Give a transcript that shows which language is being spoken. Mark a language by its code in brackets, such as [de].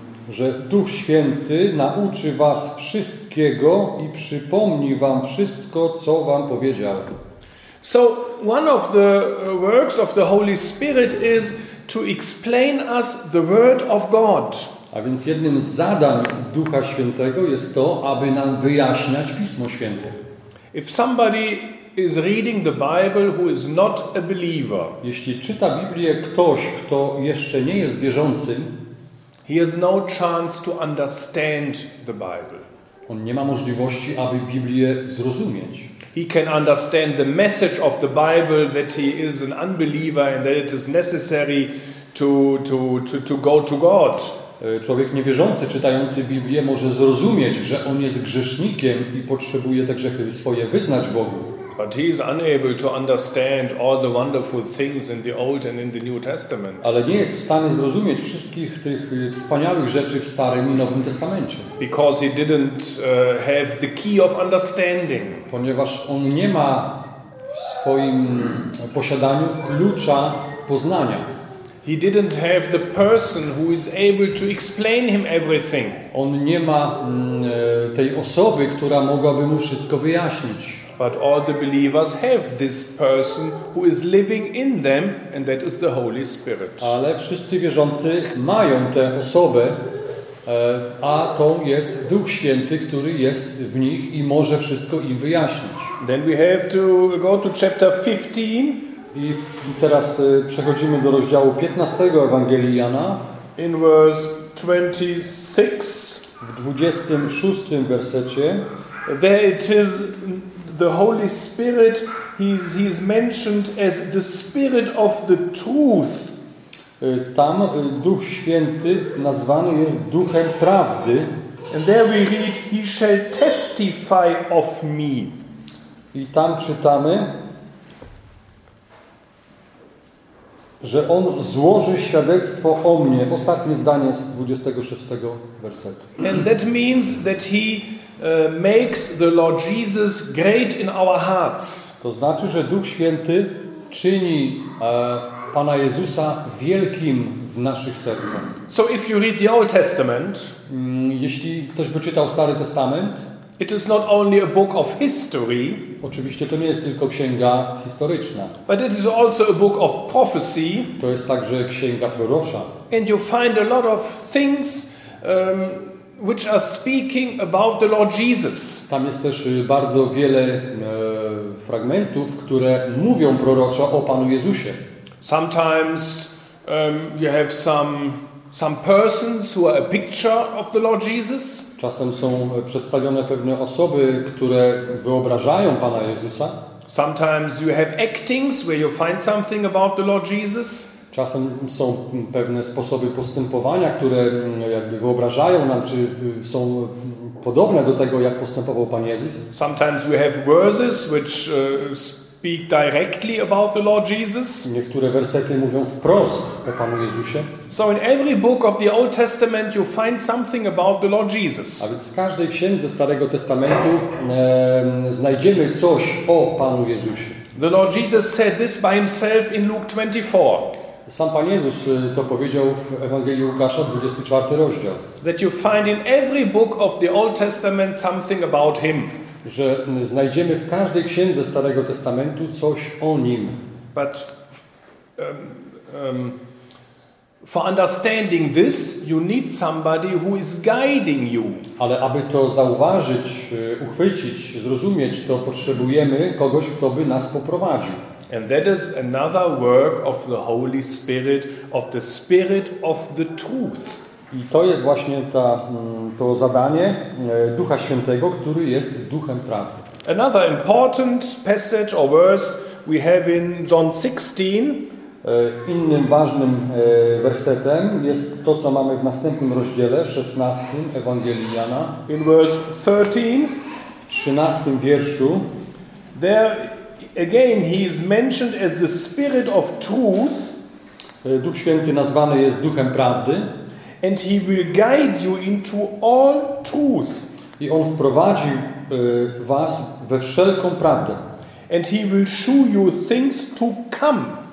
[pl] Że Duch Święty nauczy was wszystkiego i przypomni wam wszystko, co wam powiedział. [en] So one of the works of the Holy Spirit is to explain us the Word of God. [pl] A więc jednym z zadań Ducha Świętego jest to, aby nam wyjaśniać Pismo Święte. [en] If somebody is reading the Bible who is not a believer. [pl] Jeśli czyta Biblię ktoś, kto jeszcze nie jest wierzącym, [en] he has no chance to understand the Bible. [pl] On nie ma możliwości, aby Biblię zrozumieć. [en] He can understand the message of the Bible that he is an unbeliever and that it is necessary to go to God. [pl] Człowiek niewierzący czytający Biblię może zrozumieć, że on jest grzesznikiem i potrzebuje te grzechy swoje wyznać Bogu. [en] But he is unable to understand all the wonderful things in the Old and in the New Testament. [pl] Ale nie jest w stanie zrozumieć wszystkich tych wspaniałych rzeczy w Starym i Nowym Testamencie. [en] Because he didn't have the key of understanding. [pl] Ponieważ on nie ma w swoim posiadaniu klucza poznania. [en] He didn't have the person who is able to explain him everything. [pl] On nie ma tej osoby, która mogłaby mu wszystko wyjaśnić. [en] But all the believers have this person who is living in them, and that is the Holy Spirit. [pl] Ale wszyscy wierzący mają tę osobę, a to jest Duch Święty, który jest w nich i może wszystko im wyjaśnić. [en] Then we have to go to chapter 15. [pl] I teraz przechodzimy do rozdziału 15 Ewangelii Jana. [en] In verse 26. [pl] W 26 wersecie. [en] There it is. The Holy Spirit, he's mentioned as the Spirit of the Truth. [pl] Tam Duch Święty nazwany jest Duchem Prawdy. [en] And there we read, he shall testify of me. [pl] I tam czytamy, że on złoży świadectwo o mnie. Ostatnie zdanie z 26 wersetu. [en] And that means that he makes the Lord Jesus great in our hearts. [pl] To znaczy, że Duch Święty czyni Pana Jezusa wielkim w naszych sercach. [en] So if you read the Old Testament, [pl] jeśli ktoś by czytał Stary Testament, [en] it is not only a book of history, [pl] oczywiście to nie jest tylko księga historyczna, [en] but it is also a book of prophecy, [pl] to jest także księga prorocza. [en] And you find a lot of things which are speaking about the Lord Jesus. [pl] Tam jest też bardzo wiele fragmentów, które mówią proroczo o Panu Jezusie. [en] Sometimes you have some persons who are a picture of the Lord Jesus. [pl] Czasem są przedstawione pewne osoby, które wyobrażają Pana Jezusa. [en] Sometimes you have actings where you find something about the Lord Jesus. [pl] Czasem są pewne sposoby postępowania, które jakby wyobrażają nam, czy są podobne do tego, jak postępował Pan Jezus. [en] Sometimes we have verses which speak directly about the Lord Jesus. [pl] Niektóre wersety mówią wprost o Panu Jezusie. [en] So in every book of the Old Testament you find something about the Lord Jesus. [pl] A więc w każdej księdze Starego Testamentu znajdziemy coś o Panu Jezusie. [en] The Lord Jesus said this by himself in Luke 24. [pl] Sam Pan Jezus to powiedział w Ewangelii Łukasza, 24 rozdział. [en] That you find in every book of the Old Testament something about him. [pl] Że znajdziemy w każdej księdze Starego Testamentu coś o nim. [en] But for understanding this, you need somebody who is guiding you. [pl] Ale aby to zauważyć, uchwycić, zrozumieć, to potrzebujemy kogoś, kto by nas poprowadził. [en] And that is another work of the Holy Spirit, of the Spirit of the Truth. [pl] I to jest właśnie ta, to zadanie Ducha Świętego, który jest duchem prawdy. [en] Another important passage or verse we have in John 16. [pl] Innym ważnym wersetem jest to, co mamy w następnym rozdziale, 16 Ewangelii Jana. [en] In verse 13. [pl] W 13 wierszu. [en] There again he is mentioned as the Spirit of Truth. [pl] Duch Święty nazwany jest duchem prawdy. [en] And he will guide you into all truth. [pl] I on wprowadzi was we wszelką prawdę. [en] And he will show you things to come.